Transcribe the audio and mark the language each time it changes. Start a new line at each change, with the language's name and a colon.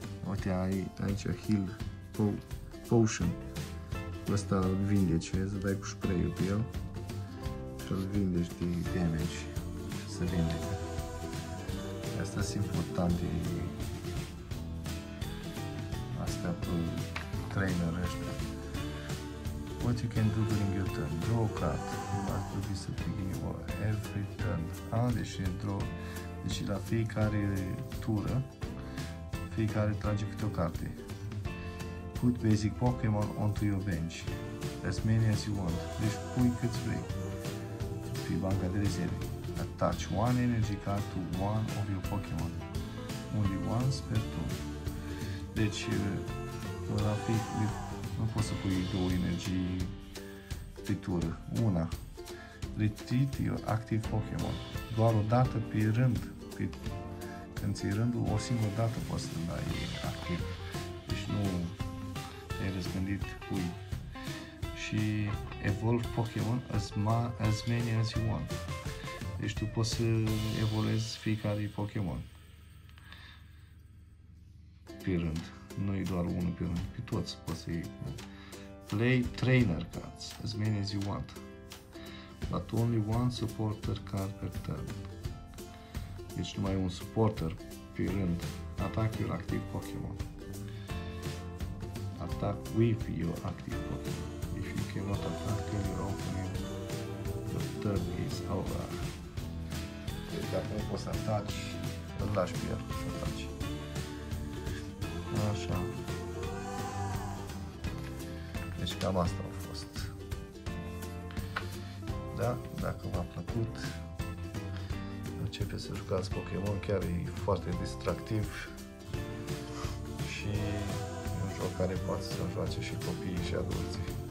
Romanian: Uite, aici heal potion. Ăsta îl vindeci, vezi, să dai cu spray-ul pe el și îl vindeci de damage și se vindecă. Asta sunt importante astea pe trainer ăștia.
English: What you can do during your turn? Draw a card. You must do this at the beginning of every turn.
Romanian: Ah, deci, deci la fiecare tură fiecare trage câte o carte.
English: Put basic Pokémon onto your bench. As many as you want.
Romanian: Deci pui cât vrei. Pe banca de rezerve.
English: Attach one energy card to one of your Pokémon. Only once per turn.
Romanian: Deci, la fiecare, nu poți să pui două energii pe tură. Una.
English: Retreat your active Pokémon.
Romanian: Doar o dată pe rând. Pe când ții rândul, o singură dată poți să dai activ. Deci nu te-ai răzgândit cui.
English: Și evolve Pokémon as many as you want.
Romanian: Deci tu poți să evoluezi fiecare Pokémon. Pe rând. Nu e doar unul pe rând. Pe toți poți să iei.
English: Play trainer cards as many as you want. But only one supporter card per turn.
Romanian: Deci numai un suporter pe rând.
English: Attack your active Pokémon. Attack with your active Pokémon. If you cannot attack in your opening, the turn is over.
Romanian: Deci dacă nu poți să ataci Îl lași pe el să faci. Așa. Deci cam asta a fost. Da? Dacă v-a plăcut, începe să jucați Pokémon, chiar e foarte distractiv și un joc care poate să joace și copiii și adulții.